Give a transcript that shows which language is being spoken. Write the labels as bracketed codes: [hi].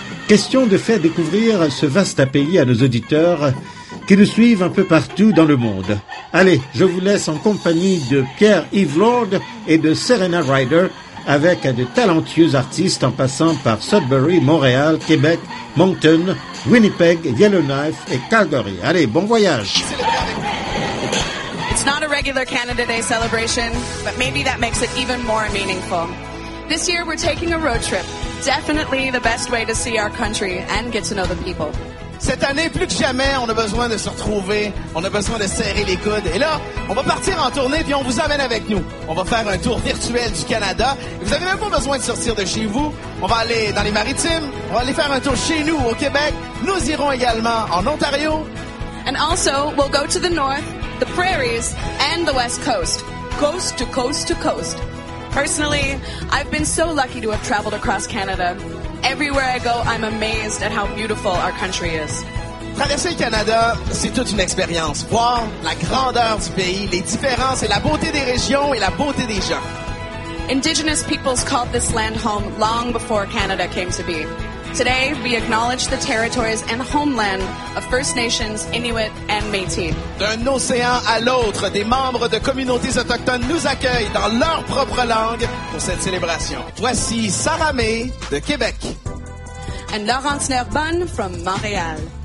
[fr] Question de faire découvrir ce vaste pays à nos auditeurs qui nous suivent un peu partout dans le monde. Allez, je vous laisse en compagnie de Pierre-Yves Lord et de Serena Ryder, avec de talentueux artistes en passant par Sudbury, Montréal, Québec, Moncton, Winnipeg, Yellowknife et Calgary. Allez, bon voyage! [en] It's not a regular Canada Day celebration, but maybe that makes it even more meaningful. This year we're taking a road trip, definitely the best way to see our country and get to know the people. [fr] Cette année, plus que jamais, on a besoin de se retrouver, on a besoin de serrer les coudes. Et là, on va partir en tournée, puis on vous amène avec nous. On va faire un tour virtuel du Canada. Et vous n'avez même pas besoin de sortir de chez vous. On va aller dans les Maritimes, on va aller faire un tour chez nous, au Québec. Nous irons également en Ontario. [en] And also, we'll go to the north, the prairies, and the west coast. Coast to coast to coast. Personally, I've been so lucky to have traveled across Canada. Everywhere I go, I'm amazed at how beautiful our country is. [fr] Traverser le Canada, c'est toute une expérience. Voir la grandeur du pays, les différences et la beauté des régions et la beauté des gens. [en] Indigenous peoples called this land home long before Canada came to be. Today, we acknowledge the territories and homeland of First Nations, Inuit and Métis. [fr] D'un océan à l'autre, des membres de communautés autochtones nous accueillent dans leur propre langue pour cette célébration. Voici Sarah May de Québec. [en] And Laurence Nerbonne from Montréal.